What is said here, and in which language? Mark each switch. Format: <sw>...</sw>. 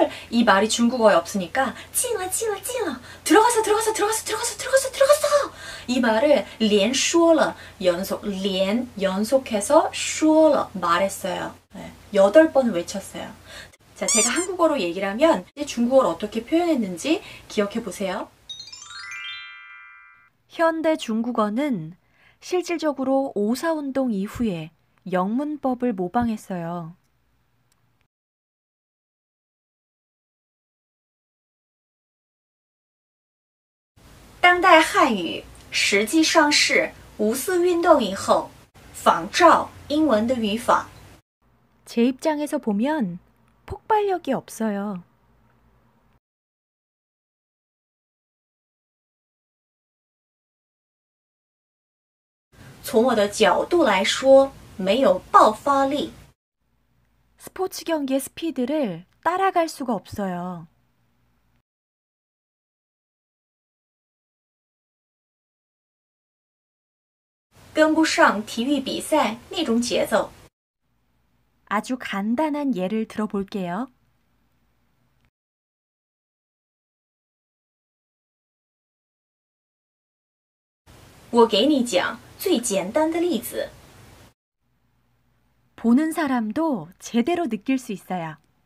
<ko>이말이중국어에없으니까</ko> <zh>进了进了进了</zh> <ko>들어가서들어가서들어가서들어가서들어가서들어가서이말을</ko> <zh>连说了</zh> <ko>연속</ko> <zh>连</zh> <ko>연속해서</ko> <zh>说了</zh> <ko>말했어요여덟번외쳤어요자제가한국어로얘기를하면중국어를어떻게표현했는지기억해보세요 현대중국어는실질적으로오사운동이후에영문법을모방했어요</ko> <zh>당대한语实际上是五四运动以后仿照英文的语法</zh> <ko>제입장에서보면폭발력이없어요</ko> <zh>从我的角度来说没有爆发力</zh> <ko>스포츠경기의스피드를따라갈수가없어요</ko> <zh>跟不上体育比赛那种节奏</zh> <ko>아주간단한예를들어볼게요</ko> <zh>我给你讲最简单的例子</zh> <ko>보는사람도제대로느낄수있어요</ko>